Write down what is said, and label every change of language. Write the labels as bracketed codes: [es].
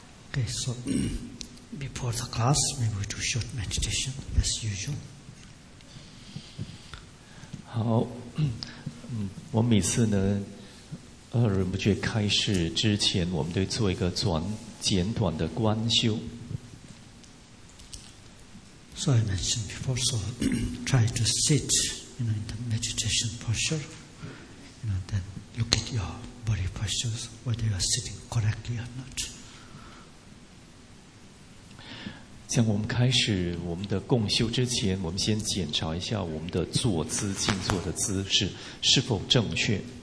[en] Okay, so before the class, we will do short meditation as usual. [zh] 好，我每次呢，阿仁不觉开始之前，我们都做一个简短的观修。 [en] So I mentioned before, so try to sit, you know, in the meditation posture, you know, then look at your body postures, whether you are sitting correctly or not. [zh] 像我们开始我们的共修之前，我们先检查一下我们的坐姿，静坐的姿势是否正确。